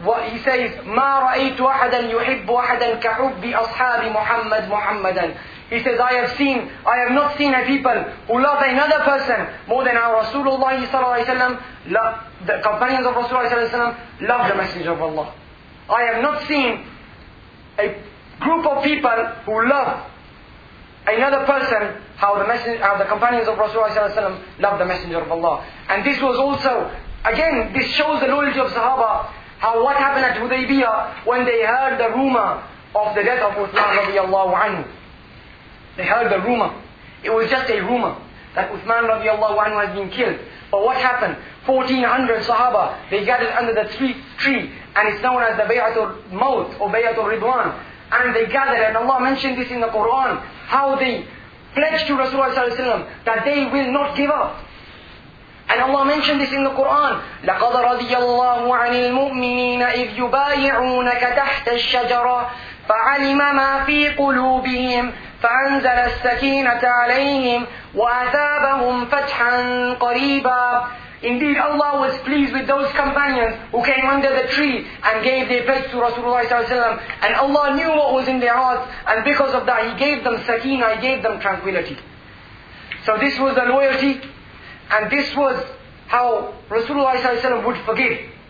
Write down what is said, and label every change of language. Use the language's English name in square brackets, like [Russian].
[English] He says, [Arabic] مَا رَأَيْتُ أَحَدًا يُحِبُّ أَحَدًا كَحُبِّ أَصْحَابِ مُحَمَّدٍ مُحَمَّدًا. [English] He says, I have not seen a people who love another person more than our Rasulullah ﷺ, the companions of Rasulullah ﷺ, love the Messenger of Allah. I have not seen a group of people who love another person how the companions of Rasulullah ﷺ love the Messenger of Allah. And this was also, again, this shows the loyalty of Sahaba, how what happened at Hudaybiyah when they heard the rumor of the death of Uthman radiallahu anhu. They heard the rumor. It was just a rumor that Uthman radiallahu anhu has been killed. But what happened? 1400 Sahaba, they gathered under the tree, and it's known as the Bay'atul Maut or Bay'atul Ridwan. And they gathered, and Allah mentioned this in the Quran, how they pledged to Rasulullah ﷺ that they will not give up. And Allah mentioned this in the Quran, [Arabic] لَقَدَ رَضِيَ اللَّهُ عَنِ الْمُؤْمِنِينَ إِذْ يُبَايِعُونَكَ تَحْتَ الشَّجَرَةِ فَعَلِمَ مَا فِي قُلُوبِهِمْ فَأَنزَلَ السَّكِينَةَ عَلَيْهِمْ وَأَثَابَهُمْ فَتْحًا قَرِيبًا. [English] Indeed, Allah was pleased with those companions who came under the tree and gave their pledge to Rasulullah ﷺ. And Allah knew what was in their hearts, and because of that, He gave them sakina, He gave them tranquility. So this was the loyalty, and this was how Rasulullah ﷺ would forgive.